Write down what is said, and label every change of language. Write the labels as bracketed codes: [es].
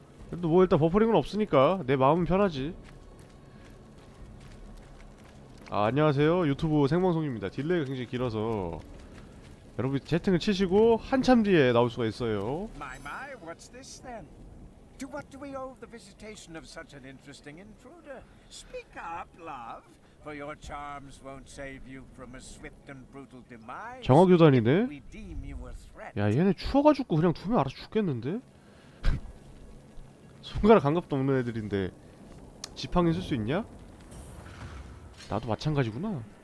[ko] 그래도 뭐 일단 버퍼링은 없으니까 내 마음은 편하지. 아, 안녕하세요. 유튜브 생방송입니다. 딜레이가 굉장히 길어서 여러분이 채팅을 치시고 한참 뒤에 나올 수가 있어요. [en] My my, what's this then? To what do we owe the visitation of such an interesting intruder? Speak up, love, for your charms won't save you from a swift and brutal demise [ko] 정화 [en] if [ko] 교단이네? [en] we deem you a threat. [ko] 야, 얘네 추워가 죽고 그냥 두면 알아서 죽겠는데? 손가락 감각도 없는 애들인데 지팡이 쓸수 있냐? 나도 마찬가지구나.